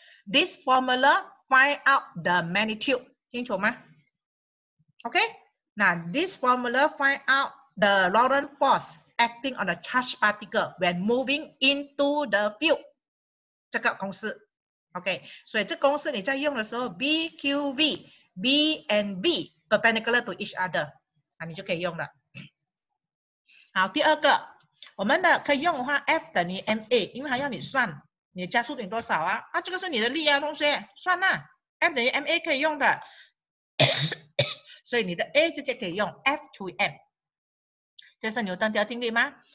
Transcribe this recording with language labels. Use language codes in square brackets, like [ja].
[en] This formula find out the magnitude， [zh] 清楚吗 [en] ？OK， 那 this formula find out the Lorentz force acting on a charged particle when moving into the field。 [zh] 这个公式 ，OK， 所以这公式你在用的时候 ，BQV。 [en] B and B perpendicular to each other， [zh] 那你就可以用了。好，第二个，我们的可以用的话 ，F 等于 ma， 因为它要你算你的加速点多少啊？啊，这个是你的力啊，同学，算啦 ，F 等于 ma 可以用的所以你的 A 直接可以用 F 除以 m， 这是牛顿第二定律吗？